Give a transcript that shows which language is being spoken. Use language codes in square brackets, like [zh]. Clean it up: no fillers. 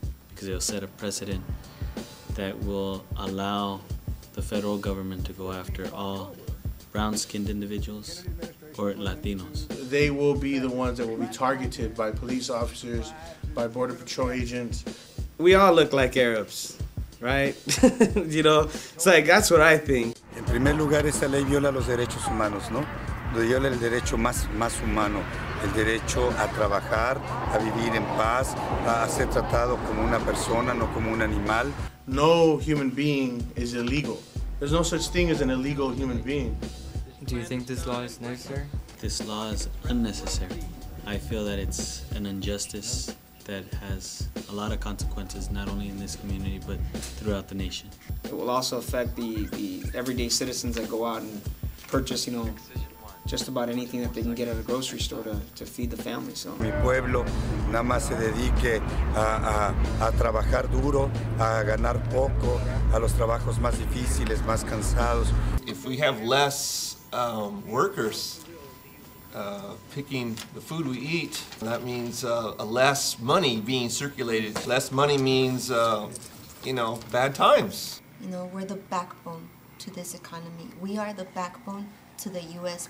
[en] Because it'll set a precedent that will allow the federal government to go after all brown-skinned individuals or Latinos. They will be the ones that will be targeted by police officers, by Border Patrol agents. We all look like Arabs, right? You know, it's like, that's what I think. [es] En primer lugar, esta ley viola los derechos humanos, ¿no? Viola el derecho más humano, el derecho a trabajar, a vivir en paz, a ser tratado como una persona, no como un animal. [en] No human being is illegal. There's no such thing as an illegal human being. Do you think this law is necessary? This law is unnecessary. I feel that it's an injustice that has a lot of consequences, not only in this community, but throughout the nation. It will also affect the everyday citizens that go out and purchase, you know, just about anything that they can get at a grocery store to feed the family. So. [es] Mi pueblo nada más se dedique a trabajar duro, a ganar poco, a los trabajos más difíciles, más cansados. [en] If we have less workers picking the food we eat, that means less money being circulated. Less money means, you know, bad times. You know, we're the backbone to this economy. We are the backbone to the U.S.